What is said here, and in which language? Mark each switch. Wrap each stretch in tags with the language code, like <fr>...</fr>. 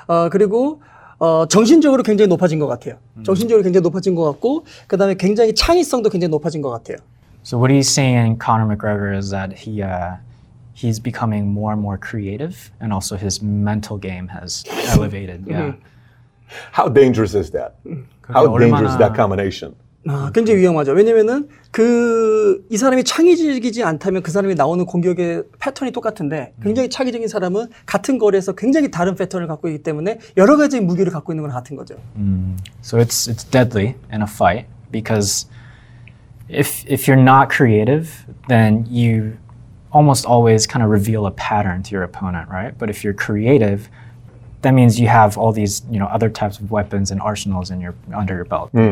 <ko>그리고 정신적으로 굉장히 높아진 것 같아요. 정신적으로 굉장히 높아진 것 같고 그 다음에 굉장히 창의성도 굉장히 높아진 것 같아요.</ko> <en>So what he's saying, Conor McGregor, is that he's becoming more and more creative and also his mental game has elevated. How dangerous is that? How dangerous is that combination?</en> <ko>굉장히 위험하죠. 왜냐면은 그 이 사람이 창의적이지 않다면 그 사람이 나오는 공격의 패턴이 똑같은데 굉장히 창의적인 사람은 같은 거리에서 굉장히 다른 패턴을 갖고 있기 때문에 여러 가지 무기를 갖고 있는 건 같은 거죠.</ko> <en>So it's deadly in a fight because if you're not creative, then you almost always kind of reveal a pattern to your opponent, right? But if you're creative, that means you have all these, you know, other types of weapons and arsenals in your under your belt.</en>